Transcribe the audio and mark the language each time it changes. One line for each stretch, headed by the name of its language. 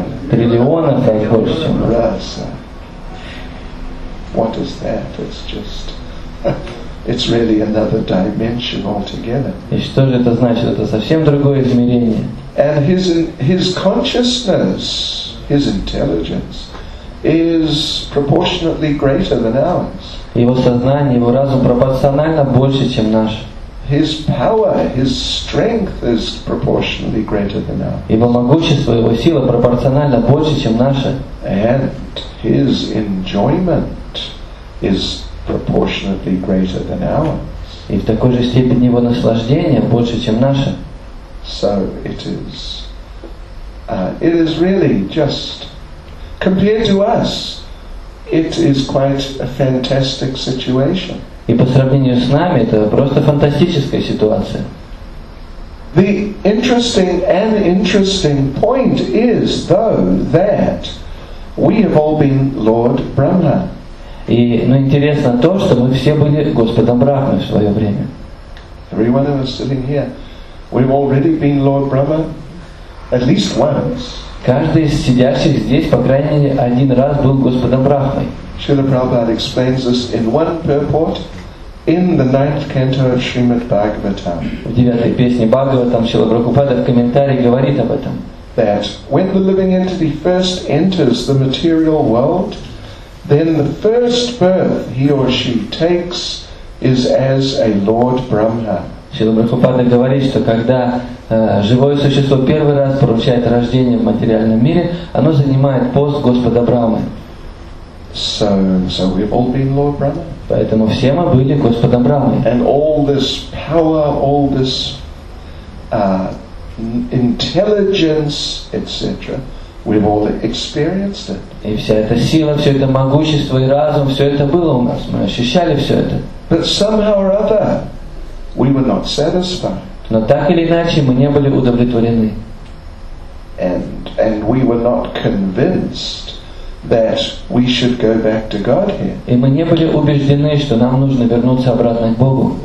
Russian: Триллионов раз больше, чем мы.
English: What is that? It's just, it's really another dimension altogether.
Russian: И что же это значит? Это совсем другое измерение.
English: And his consciousness, his intelligence, is proportionately greater than ours.
Russian: Его сознание, его разум пропорционально больше, чем наш.
English: His power, his strength is proportionally greater than ours.
Russian: Его могущество, его сила пропорционально больше, чем наше.
English: And his enjoyment is proportionately greater than ours.
Russian: И в такой же степени его наслаждение больше, чем наше.
English: So it is really just, compared to us, it is quite a fantastic situation.
Russian: И по сравнению с нами, это просто фантастическая ситуация.
English: The interesting and interesting point is, though, that we have all been Lord Brahma.
Russian: И, ну, интересно то, что мы все были Господом Брахмой в свое время.
English: Everyone of us sitting here, we've already been Lord Brahma at least once.
Russian: Каждый из сидящих здесь, по крайней мере, один раз был Господом Брахмой.
English: Srila Prabhupada explains this in one purport in the ninth canto of Srimad Bhagavatam.
Russian: В девятой песне Бхагаватам Шрила Прабхупада в комментарии говорит об этом.
English: That when the living entity first enters the material world, then the first birth he or she takes is as a Lord Brahma.
Russian: Шрила Прабхупада говорит, что когда живое существо первый раз получает рождение в материальном мире, оно занимает пост Господа Брахмы.
English: So we've all been Lord Brahma.
Russian: Поэтому все мы были Господом Брахмой.
English: And all this power, all this intelligence, etc., we've all experienced it.
Russian: И вся эта сила, все это могущество и разум, все это было у нас. Мы ощущали все это.
English: But somehow or other, we were not satisfied.
Russian: Но так или иначе мы не были удовлетворены.
English: And we were not convinced that we should go back to Godhead.
Russian: И мы не были убеждены, что нам нужно вернуться обратно к Богу.